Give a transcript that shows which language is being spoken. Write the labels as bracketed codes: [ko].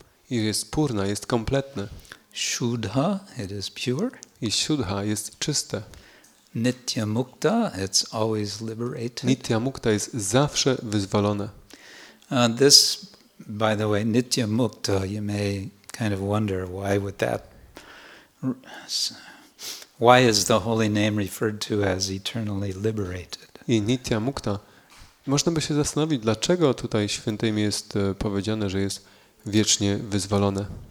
[pl] I jest purna, jest kompletne. [en] Shuddha, it is pure. [pl] I shuddha, jest czyste. [en] Nitya mukta, it's always liberated. [pl] Nitya mukta jest zawsze wyzwolone. [en] This, by the way, nitya mukta, you may kind of wonder why is the holy name referred to as eternally liberated? [pl] I nitya mukta, można by się zastanowić, dlaczego tutaj święte imię jest powiedziane, że jest wiecznie wyzwolone.